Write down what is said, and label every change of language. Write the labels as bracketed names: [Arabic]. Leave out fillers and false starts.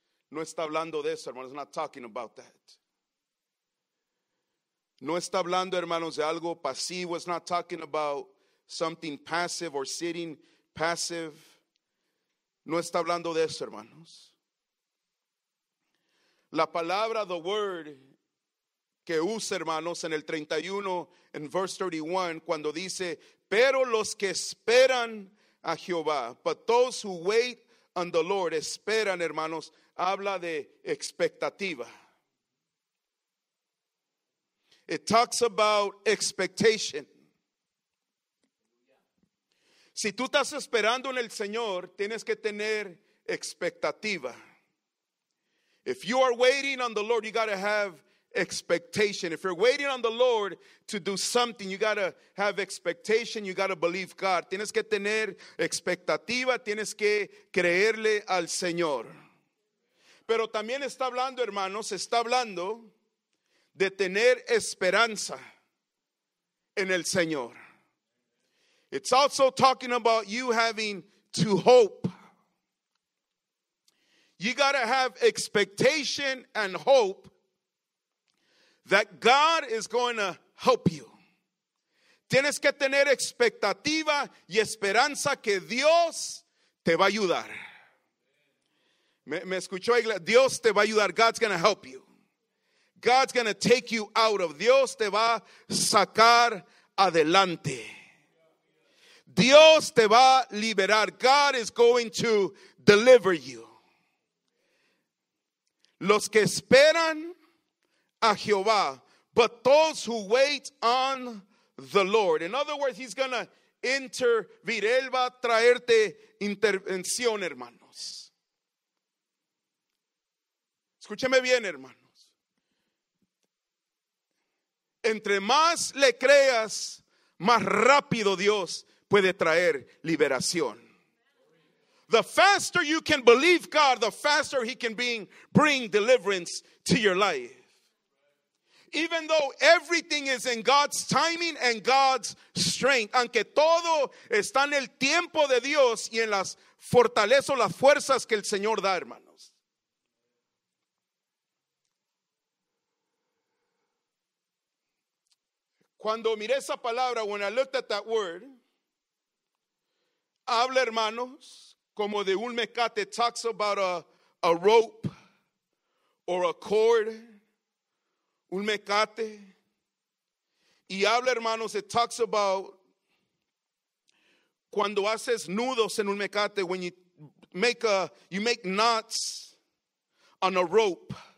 [Spanish] No está hablando de eso, hermanos. [English] Not talking about that. [Spanish] No está hablando, hermanos, de algo pasivo. [English] It's not talking about something passive or sitting passive. [Spanish] No está hablando de eso, hermanos. La palabra, [English] the word, [Spanish] que usa, hermanos, en el 31, en [English] verse 31, [Spanish] cuando dice, pero los que esperan a Jehová, [English] but those who wait on the Lord, [Spanish] esperan, hermanos, habla de expectativa. [English] It talks about expectation. [Spanish] Si tú estás esperando en el Señor, tienes que tener expectativa. [English] If you are waiting on the Lord, you got to have expectation. If you're waiting on the Lord to do something, you got to have expectation. You got to believe God. [Spanish] Tienes que tener expectativa. Tienes que creerle al Señor. Pero también está hablando, hermanos, está hablando de tener esperanza en el Señor. [English] It's also talking about you having to hope. You got to have expectation and hope that God is going to help you. [Spanish] Tienes que tener expectativa y esperanza que Dios te va a ayudar. Me escuchó, Dios te va a ayudar. [English] God's going to help you. God's going to take you out of. [Spanish] Dios te va a sacar adelante. Dios te va a liberar. [English] God is going to deliver you. [Spanish] Los que esperan a Jehová, [English] but those who wait on the Lord. In other words, he's going to intervene. [Spanish] Él va a traerte intervención, hermanos. Escúcheme bien, hermanos. Entre más le creas, más rápido Dios puede traer liberación. [English] The faster you can believe God, the faster he can bring deliverance to your life. Even though everything is in God's timing and God's strength. [Spanish] Aunque todo está en el tiempo de Dios y en las fortalezas o las fuerzas que el Señor da, hermanos. Cuando miré esa palabra, [English] when I looked at that word, [Spanish] Habla, hermanos, como de un mecate. [English] Talks about a rope or a cord. [Spanish] Un mecate. Y habla, hermanos, [English] it talks about [Spanish] cuando haces nudos en un mecate, [English] when you make knots on a rope.